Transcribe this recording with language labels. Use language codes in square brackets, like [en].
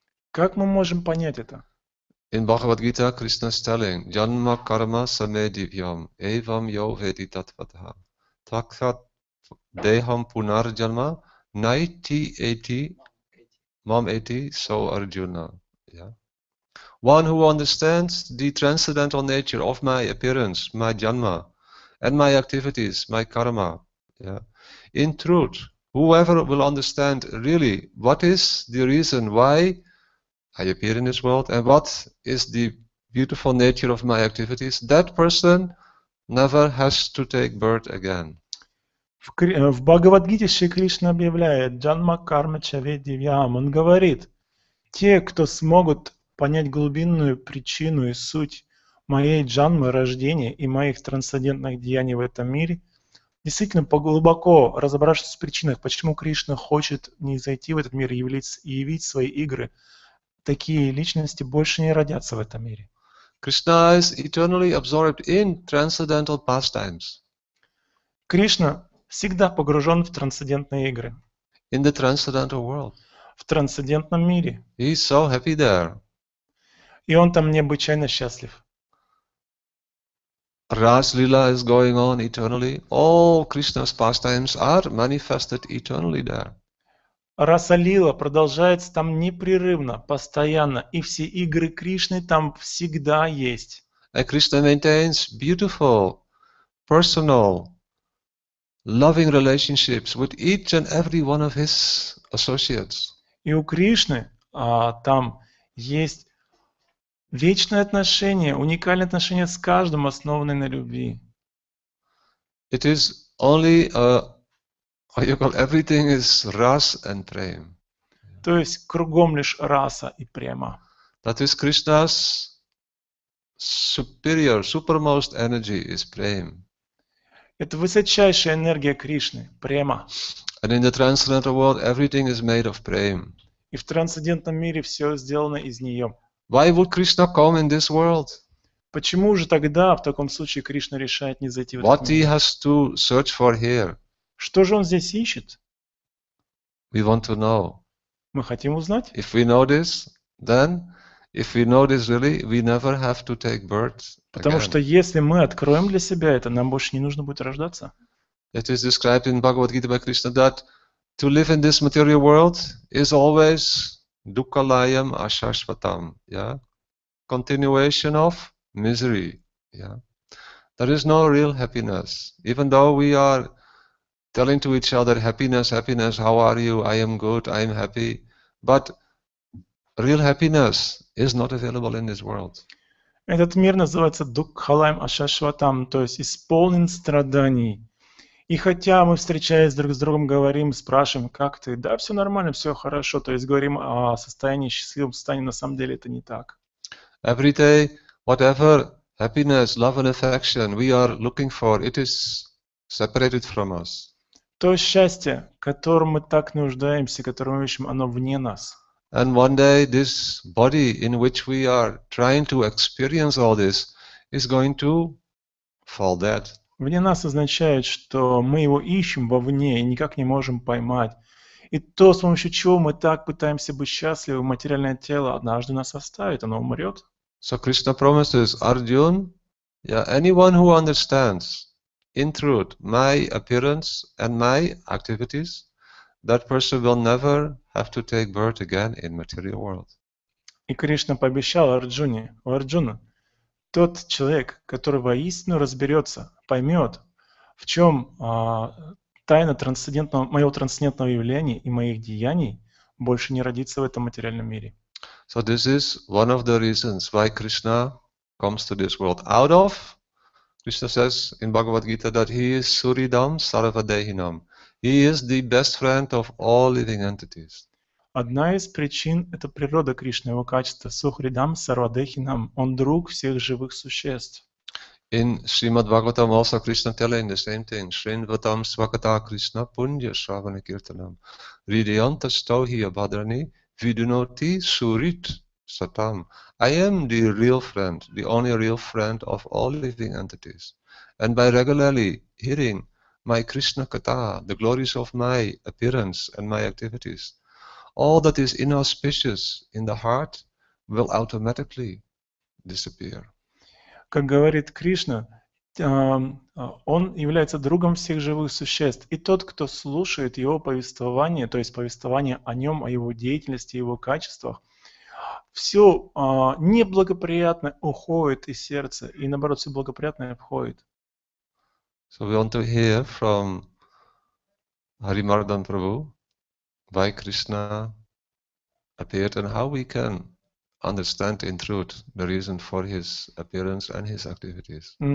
[ru] Как мы можем понять это? [en] In Bhagavad Gita, Krishna is telling, [sa] "Janma karma samedivyam, evam yo veditatvatha, takshat deham punar janma Найти эти, мам эти, со Арджуна. [en] One who understands the transcendental nature of my appearance, my janma, and my activities, my karma. In truth, whoever will understand really what is the reason why I appear in this world and what is the beautiful nature of my activities, that person never has to take birth again. [ru] В Бхагавадгите Шри Кришна объявляет [sa] Джанма Карма Чаведи Вьям. [ru] Он говорит, те, кто смогут понять глубинную причину и суть моей джанмы, рождения и моих трансцендентных деяний в этом мире, действительно поглубоко разобравшись в причинах, почему Кришна хочет не зайти в этот мир и явить свои игры, такие личности больше не родятся в этом мире. [en] Krishna is eternally absorbed in transcendental pastimes. [ru] Кришна всегда погружен в трансцендентные игры. [en] In the transcendental world. [ru] В трансцендентном мире. [en] He is so happy there. [ru] И он там необычайно счастлив. [en] Раз лила is going on eternally. All Krishna's pastimes are manifested eternally there. [ru] Раса лила продолжается там непрерывно, постоянно, и все игры Кришны там всегда есть. [en] And Krishna maintains beautiful, personal, loving relationships with each and every one of his associates. [ru] И у Кришны там есть вечное отношение, уникальное отношение с каждым, основанное на любви. [en] It is only what you call everything is rasa and prema. [ru] То есть кругом лишь раса и према. [en] That is Krishna's superior, supermost energy is prema. [ru] Это высочайшая энергия Кришны, према. [en] And in the transcendental world, everything is made of prema. [ru] И в трансцендентном мире все сделано из нее. [en] Why would Krishna come in this world? [ru] Почему же тогда в таком случае Кришна решает не зайти в этот [en] What [ru] мир? [en] He has to search for here? [ru] Что же он здесь ищет? [en] We want to know. [ru] Мы хотим узнать. [en] If we know this, then if we know this really, we never have to take birth again. [ru] Потому что если мы откроем для себя это, нам больше не нужно будет рождаться. [en] It is described in Bhagavad Gita by Krishna that to live in this material world is always [sa] Dukkalayam Ashashvatam, [en] continuation of misery. There is no real happiness. Even though we are telling to each other happiness, happiness, how are you? I am good, I am happy. But real happiness is not available in this world. [ru] Этот мир называется [sa] Dukkalayam Ashashvatam, [ru] то есть исполнен страданий. И хотя мы, встречаясь друг с другом, говорим, спрашиваем, как ты? Да, все нормально, все хорошо. То есть говорим о состоянии, счастливом состоянии, на самом деле это не так. [en] Every day, whatever happiness, love and affection we are looking for, it is separated from us. [ru] То счастье, которым мы так нуждаемся, которым мы ищем, оно вне нас. [en] And one day this body in which we are trying to experience all this is going to fall dead. [ru] Вне нас означает, что мы его ищем вовне и никак не можем поймать. И то, с помощью чего мы так пытаемся быть счастливы, материальное тело однажды нас оставит, оно умрет. [en] So Krishna promises Arjun, anyone who understands in truth my appearance and my activities, that person will never have to take birth again in material world. [ru] И Кришна пообещал Арджуне, у Арджуна, тот человек, который воистину разберется, поймет, в чем тайна трансцендентного, моего трансцендентного явления и моих деяний, больше не родится в этом материальном мире. [en] So this is one of the reasons why Krishna comes to this world. Out of, Krishna says in Bhagavad Gita that he is [sa] Suridam Sarvadehinam. [en] He is the best friend of all living entities. [ru] Одна из причин – это природа Кришны, его качество [sa] Сухридам Сарвадехинам. [ru] Он друг всех живых существ. [en] In Srimad Bhagavatam also Krishna telling the same thing. [sa] Shrinvatam Svakata Krishna Punya Shravana Kirtanam. Ridyanta Stohi Abhadrani Vidunoti Surit Satam. [en] I am the real friend, the only real friend of all living entities. And by regularly hearing my Krishna Kata, the glories of my appearance and my activities, all that is inauspicious in the heart will automatically disappear. [ru] Как говорит Кришна, он является другом всех живых существ. И тот, кто слушает его повествование, то есть повествование о нем, о его деятельности, его качествах, все неблагоприятное уходит из сердца, и наоборот, все благоприятное входит. [en] So we want to hear from Hari Mardhan Prabhu, why Krishna appeared and how we can understand in truth the reason for his appearance and his activities.